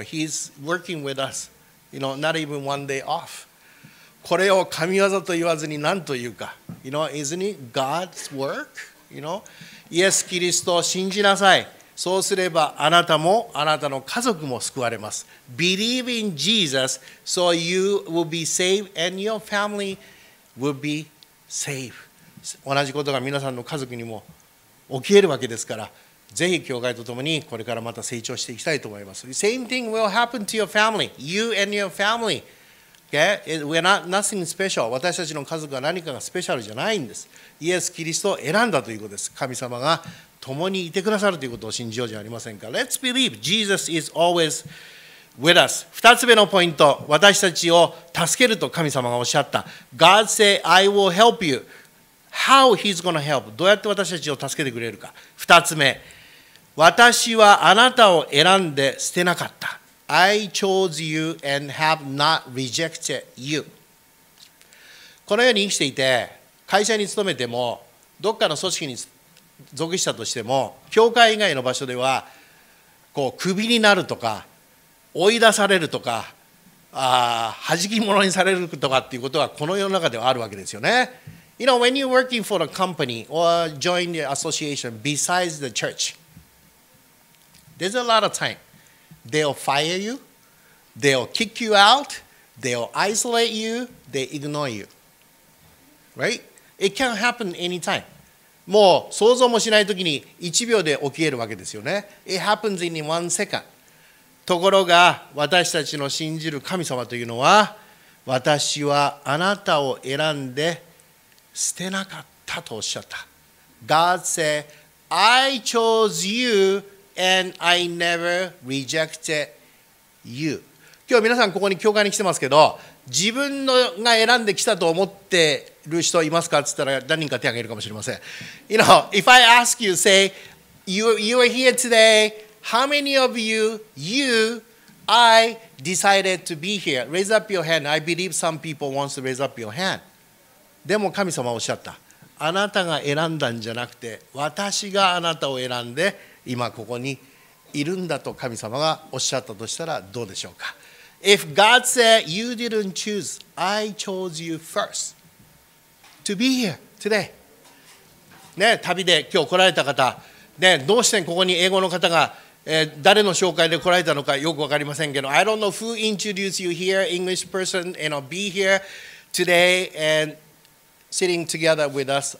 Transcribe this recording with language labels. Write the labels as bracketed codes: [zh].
[en] He's working with us. You know, not even one day off. [ja] これを神業と言わずに何というか。 [en] You know, isn't it God's work? You know, [ja] イエス・キリストを信じなさい。そうすればあなたもあなたの家族も救われます。 [en] Believe in Jesus, so you will be saved and your family will be saved. [ja] 同じことが皆さんの家族にも起きるわけですから、ぜひ教会とともにこれからまた成長していきたいと思います。 [en] Same thing will happen to your family, you and your family. Okay? We're not nothing special. [ja] 私たちの家族は何かがスペシャルじゃないんです。イエス・キリストを選んだということです。神様が共にいてくださるということを信じようじゃありませんか。 [en] Let's believe Jesus is always with us. [ja] 二つ目のポイント、私たちを助けると神様がおっしゃった。 [en] God say, I will help you. How he's going to help? [ja] どうやって私たちを助けてくれるか。二つ目、私はあなたを選んで捨てなかった。 [en] I chose you and have not rejected you. [ja] このように生きていて、会社に勤めても、どっかの組織に属したとしても教会以外の場所ではこうクビになるとか追い出されるとか弾き物にされるとかっていうことはこの世の中ではあるわけですよね。 [en] You know, when you're working for a company or join the association besides the church, there's a lot of time. They'll fire you, they'll kick you out, they'll isolate you, they ignore you. Right? It can happen anytime. [ja] もう想像もしないときに1秒で起きるわけですよね。 [en] It happens in one second. [ja] ところが私たちの信じる神様というのは私はあなたを選んで捨てなかったとおっしゃった。 [en] God said, I chose you and I never rejected you. [ja] 今日皆さんここに教会に来てますけど自分のが選んできたと思ってる人いますかって言ったら何人か手を挙げるかもしれません。 [en] You know, if I ask you, say, you are here today, how many of you, I decided to be here? Raise up your hand. I believe some people wants to raise up your hand. [ja] でも神様はおっしゃった。あなたが選んだんじゃなくて、私があなたを選んで今ここにいるんだと神様がおっしゃったとしたらどうでしょうか。 [en] If God said you didn't choose, I chose you first to be here today. [ja] ね、旅で今日来られた方、ね、どうしてここに英語の方が、誰の紹介で来られたのかよく分かりませんけど、 [en] I don't know who introduced you here, English person, you know, be here today and sitting together with us.